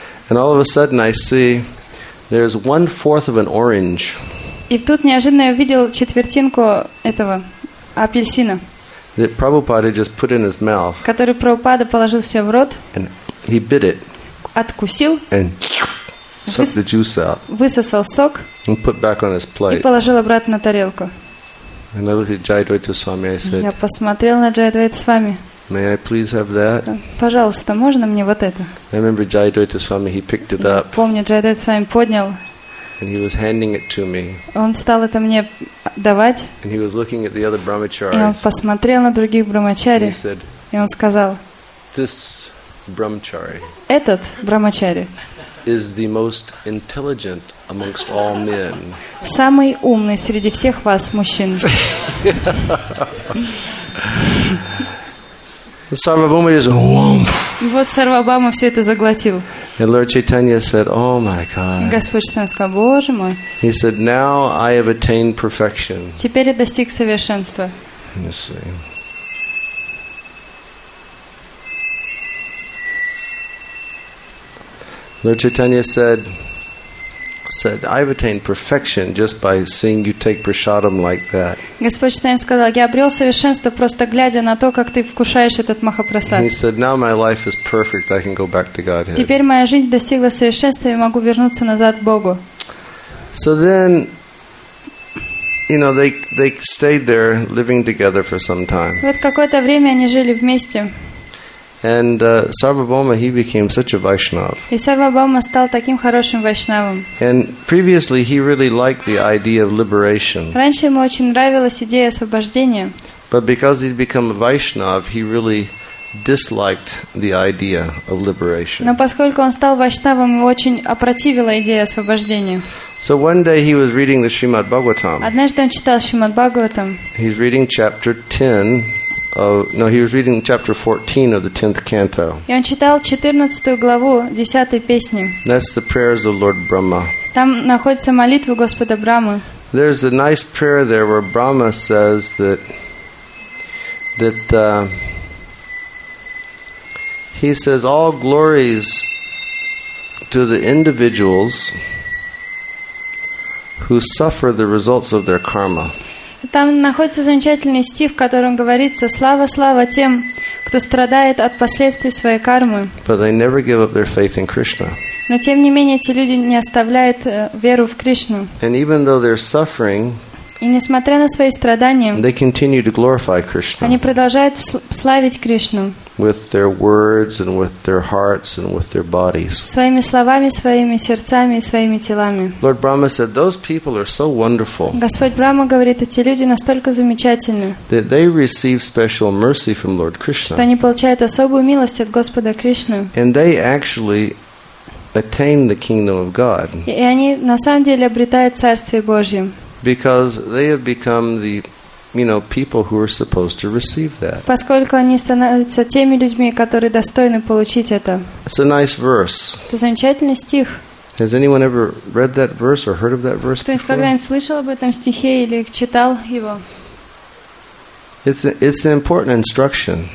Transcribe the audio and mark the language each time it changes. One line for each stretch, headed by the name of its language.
English: And all of a sudden I see there's 1/4 of an orange.
Russian: И тут неожиданно я увидел четвертинку этого апельсина.
English: That Prabhupada just put in his mouth.
Russian: Который Прабхупада положил себе в рот.
English: And he bit it.
Russian: Откусил.
English: And sucked the juice out.
Russian: Высосал сок.
English: And put back on his plate.
Russian: И положил обратно на тарелку.
English: And I looked at Jayadvaita Swami. I said,
Russian: я посмотрел на Джайадвайта Свами.
English: May I please have that?
Russian: Пожалуйста, можно мне вот это?
English: I remember Jayadvaita Swami. He picked it up.
Russian: Помню, Джайадвайта Свами поднял.
English: And he was handing it to me.
Russian: Он стал это мне давать.
English: And he was looking at the other brahmacharis.
Russian: И он посмотрел на других брахмачари.
English: And he said,
Russian: и он сказал,
English: this brahmachari.
Russian: Этот брахмачари.
English: Is the most intelligent amongst all men.
Russian: Самый умный среди всех вас мужчин.
English: Сарвабхаума just whoomph.
Russian: И вот Сарвабхаума все это заглотил.
English: And Lord Chaitanya said, "Oh my God."
Russian: Господь Чайтанья сказал, Боже мой.
English: He said, "Now I have attained perfection."
Russian: Теперь я достиг совершенства.
English: Let me see. Lord Chaitanya said, I've attained perfection just by seeing you take prasadam like that.
Russian: Господь Чайтанья сказал, я обрел совершенство просто глядя на то, как ты вкушаешь этот махапрасад.
English: He said, now my life is perfect. I can go back to Godhead.
Russian: Теперь моя жизнь достигла совершенства, я могу вернуться назад к Богу.
English: So then, you know, they stayed there living together for some time.
Russian: Вот какое-то время они жили вместе.
English: And Sarvabhauma, he became such a Vaishnav.
Russian: И Сарвабхаума стал таким хорошим вайшнавом.
English: And previously he really liked the idea of liberation.
Russian: Раньше ему очень нравилась идея освобождения.
English: But because he'd become a Vaishnav, he really disliked the idea of liberation.
Russian: Но поскольку он стал вайшнавом, ему очень опротивила идея освобождения.
English: So one day he was reading the Srimad Bhagavatam.
Russian: Однажды он читал Шримад Бхагаватам.
English: He's reading chapter 10. He was reading chapter 14 of the 10th canto.
Russian: И он читал 14 главу 10 песни.
English: That's the prayers of Lord Brahma.
Russian: Там находится молитва Господа Брамы.
English: There's a nice prayer there where Brahma says that he says all glories to the individuals who suffer the results of their karma.
Russian: Там находится замечательный стих, в котором говорится: «Слава, слава тем, кто страдает от последствий своей кармы».
English: But they never give up their faith in Krishna.
Russian: Но тем не менее эти люди не оставляют веру в Кришну.
English: And even though they're suffering,
Russian: и несмотря на свои страдания,
English: they continue to glorify Krishna.
Russian: Они продолжают славить Кришну.
English: With their words and with their hearts and with their bodies.
Russian: Своими словами, своими сердцами и своими телами.
English: Lord Brahma said, "Those people are so wonderful."
Russian: Господь Брама говорит, эти люди настолько замечательны.
English: That they receive special mercy from Lord Krishna.
Russian: Что они получают особую милость от Господа Кришны.
English: And they actually attain the kingdom of God.
Russian: И они на самом деле обретают царствие Божье.
English: Because they have become the people who are supposed to receive that.
Russian: Поскольку они становятся теми людьми, которые достойны получить это.
English: It's a nice verse.
Russian: Это замечательный стих.
English: Has anyone ever read that verse or heard of that verse before?
Russian: Кто-нибудь когда-нибудь слышал об этом стихе или читал его?
English: It's an important instruction.